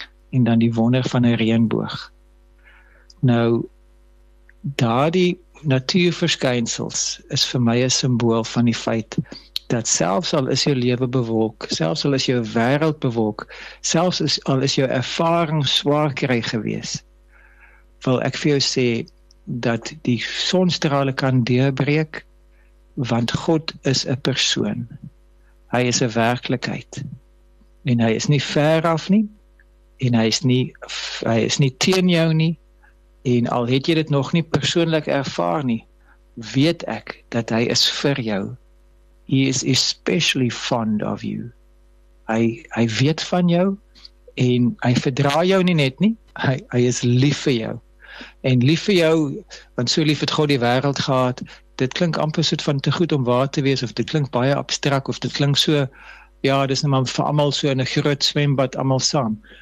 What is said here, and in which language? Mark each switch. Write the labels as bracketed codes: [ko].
[af] en dan die wonder van 'n reënboog. Nou, daardie natuurverskynsels is vir my 'n simbool van die feit dat selfs al is jou lewe bewolk, selfs al is jou wêreld bewolk, selfs al is jou ervaring swaar kry gewees, wil ek vir jou sê dat die sonstrale kan deurbreek, want God is 'n persoon. Hy is 'n werklikheid. En hy is nie ver af nie, en hy is nie teen jou nie, en al het jy dit nog nie persoonlik ervaar nie, weet ek dat hy is vir jou. [en] He is especially fond of you. [af] Hy weet van jou, en hy verdra jou nie net nie, hy is lief vir jou. En lief vir jou, want so lief het God die wêreld gehad, dit klink amper soet van te goed om waar te wees, of dit klink baie abstrakt, of dit klink so, ja, dis nou maar vir allemaal so in 'n groot swembad, allemaal saam.